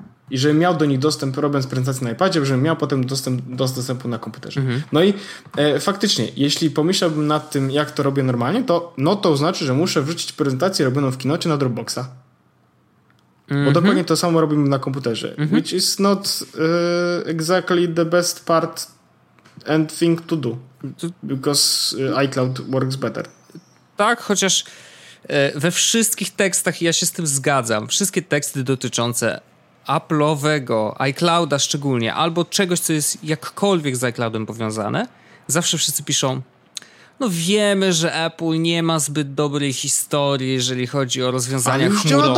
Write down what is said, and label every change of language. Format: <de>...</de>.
<pl>I żebym miał do nich dostęp, robiąc prezentację na iPadzie, żebym miał potem dostęp na komputerze. Mhm. No i faktycznie, jeśli pomyślałbym nad tym, jak to robię normalnie, to no to znaczy, że muszę wrzucić prezentację robioną w Keynote na Dropboxa. Mhm. Bo dokładnie to samo robimy na komputerze. Mhm.</pl> <en>Which is not exactly the best part and thing to do. Because iCloud works better.</en> <pl>Tak, chociaż we wszystkich tekstach, ja się z tym zgadzam, wszystkie teksty dotyczące Apple'owego, iClouda szczególnie, albo czegoś, co jest jakkolwiek z iCloudem powiązane, zawsze wszyscy piszą, no wiemy, że Apple nie ma zbyt dobrej historii, jeżeli chodzi o rozwiązania chmurowe.</pl>